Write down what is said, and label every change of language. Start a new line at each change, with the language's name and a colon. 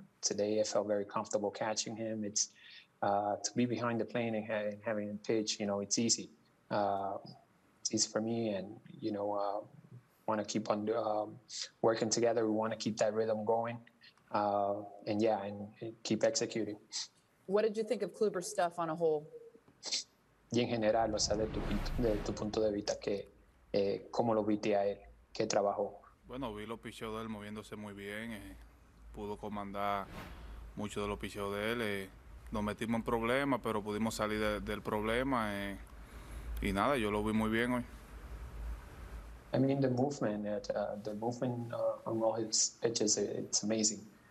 English: Today I felt very comfortable catching him. It's to be behind the plate and having him pitch, you know, it's easy. It's easy for me, and you know, want to keep on working together. We want to keep that rhythm going, and keep executing. What did you think of Kluber's stuff on a whole?
Spanish: Y en general, o sea, de tu punto de vista, que cómo lo viste a él, qué trabajó. Bueno, vi los picheos de él moviéndose muy bien, pudo comandar mucho de los picheos de él. Nos metimos en problemas, pero pudimos salir del problema. Y nada, yo lo vi muy bien hoy.
English: I mean, the movement on all his pitches, it's amazing.